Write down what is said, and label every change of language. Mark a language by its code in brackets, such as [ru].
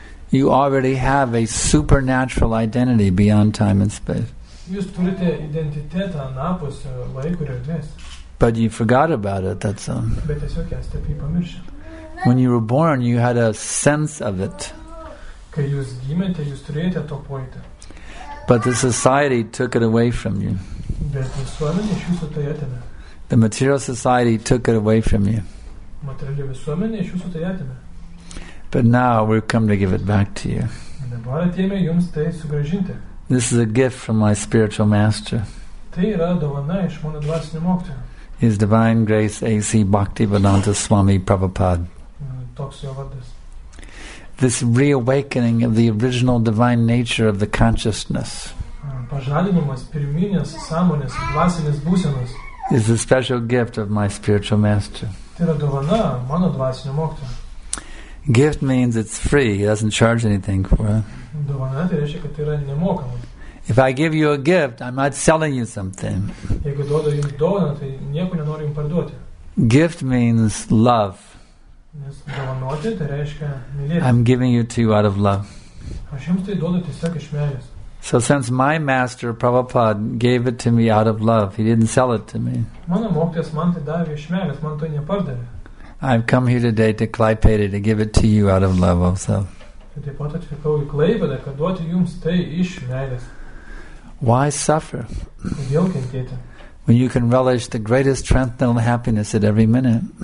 [en] You already have a supernatural identity beyond time and space. [lt] Jūs turite identitetą anapus laiko ir erdvės. [en] But you forgot about it, that's all. [lt] Bet tiesiog esate apie jį pamiršę. [en] When you were born, you had a sense of it. [lt] Kai jūs gimėte, jūs turėjote to pojūtį. [en] But the society took it away from you. [lt] Bet visuomenė iš jūsų tai atėmė. [en] The material society took it away from you. [lt] Materiali visuomenė iš jūsų tai atėmė. [en] But now we've come to give it back to you. [lt] Dabar atėmė jums tai sugrąžinti. [en] This is a gift from my spiritual master. [lt] Tai yra dovana iš mano dvasinio mokytojo. [en] His divine grace A.C. Bhaktivedanta Swami Prabhupada. [lt] Toks jo vardas. [en] this reawakening of the original divine nature of the consciousness. [lt] Pažadinimas pirminės sąmonės, dvasinės būsenos. [en] Is a special gift of my spiritual master. [lt] Tai yra dovana mano dvasinio mokytojo. [en] Gift means it's free, he doesn't charge anything for it. [lt] Dovana tai reiškia, kad tai yra nemokama. [en] If I give you a gift, I'm not selling you something. [lt] Jeigu duodu jums dovaną, tai nieko nenoriu jums parduoti. [en] Gift means love. [lt] Nes dovanoti tai reiškia mylėti. [en] I'm giving you to you out of love. [lt] Aš jums tai duodu tiesiog iš meilės. [en] So since my master, Prabhupada, gave it to me out of love, he didn't sell it to me. [lt] Mano mokytojas man tai davė iš meilės, man to nepardavė. [en] I've come here today to Klaipėda to give it to you out of love also. [lt] Taip pat atvykau į Klaipėdą, kad duoti jums tai iš meilės. [en] Why suffer? When you can relish the greatest transcendental happiness at every minute.